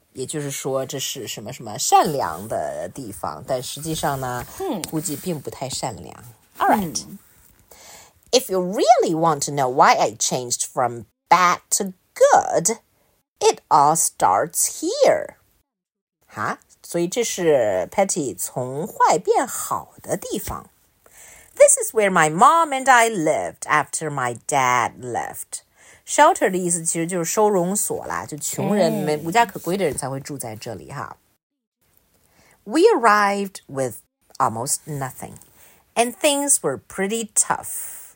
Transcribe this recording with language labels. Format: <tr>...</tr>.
<zh>也就是说这是什么什么善良的地方。但实际上呢、估计并不太善良。</zh> <en>All right.、If you really want to know why I changed from bad to good, it all starts here.</en> <zh>Huh? 所以这是 Patty 从坏变好的地方。</zh> <en>This is where my mom and I lived after my dad left.</en> <zh>Shelter 的意思其实就是收容所啦，就穷人没无家可归的人才会住在这里哈。</zh> <en>We arrived with almost nothing, and things were pretty tough.</en>